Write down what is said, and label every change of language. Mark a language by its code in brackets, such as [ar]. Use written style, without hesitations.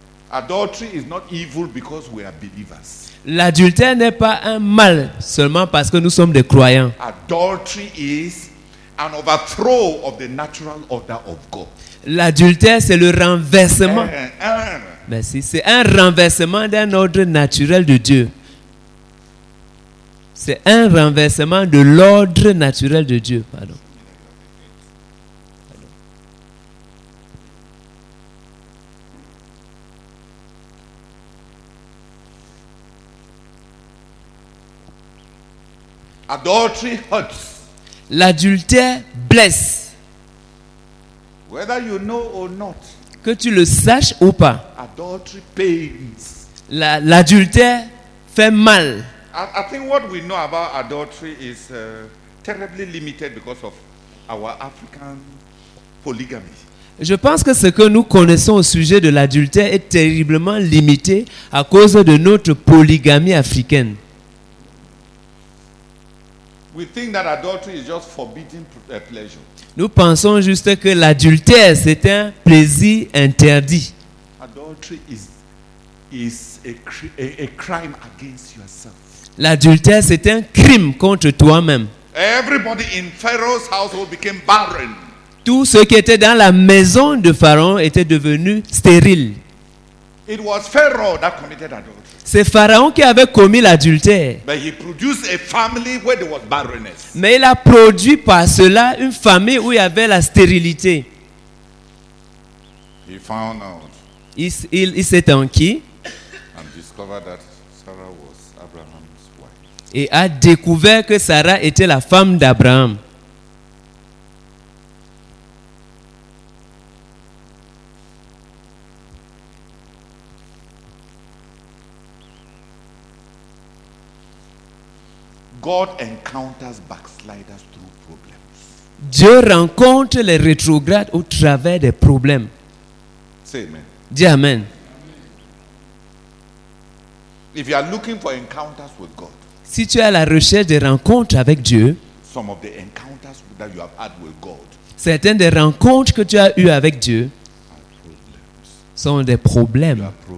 [en] Adultery is not evil because we are believers. [fr] L'adultère n'est pas un mal seulement parce que nous sommes des croyants. [en] Adultery is an overthrow of the natural order of God. [fr] L'adultère, c'est le renversement. Merci. C'est un renversement d'un ordre naturel de Dieu. C'est un renversement de l'ordre naturel de Dieu. Pardon. [en] Adultery hurts. [fr] L'adultère blesse. [en] Whether you know or not, [fr] que tu le saches ou pas, [en] adultery pains. [fr] L'adultère fait mal. [en] I think what we know about adultery is terribly limited because of our African polygamy. [fr] Je pense que ce que nous connaissons au sujet de l'adultère est terriblement limité à cause de notre polygamie africaine. [en] We think that adultery is just forbidden pleasure. [fr] Nous pensons juste que l'adultère c'est un plaisir interdit. [en] Adultery is a crime against yourself. [fr] L'adultère c'est un crime contre toi-même. [en] Everybody in Pharaoh's household became barren. [fr] Tous ceux qui étaient dans la maison de Pharaon étaient devenus stériles. [en] It was Pharaoh that committed adultery. [fr] C'est Pharaon qui avait commis l'adultère. [en] But he produced a family where there was barrenness. [fr] Mais il a produit par cela une famille où il y avait la stérilité. [en] He found out. [fr] Il s'est enquis. [en] And discovered that Sarah was Abraham's wife. [fr] Et a découvert que Sarah était la femme d'Abraham. [en] God encounters backsliders through problems. [fr] Dieu rencontre les rétrogrades au travers des problèmes. [en] Say amen. [fr] Dis amen. [en] If you are looking for encounters with God, [fr] si tu es à la recherche des rencontres avec Dieu, [en] some of the encounters that you have had with God, [fr] certaines des rencontres que tu as eues avec Dieu sont des problèmes.